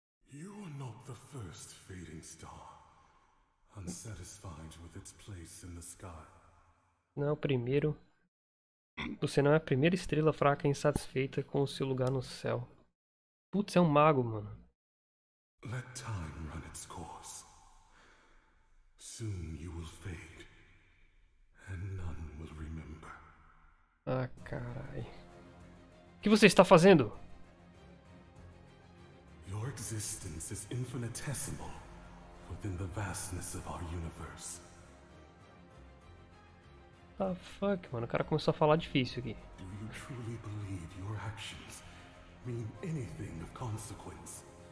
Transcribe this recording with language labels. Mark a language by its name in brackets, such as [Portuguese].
[English] You are not the first fading star, unsatisfied with its place in the sky. [Portuguese] Não é o primeiro. Você não é a primeira estrela fraca insatisfeita com o seu lugar no céu. Putz, é um mago, mano. [English] Let time run its course. Soon you will fade. [Portuguese] Ah, carai. O que você está fazendo? [English] Your existence is infinitesimal within the vastness of our universe. [Portuguese] Ah, fuck, mano. O cara começou a falar difícil aqui. [English] Do you truly believe your actions mean anything of consequence?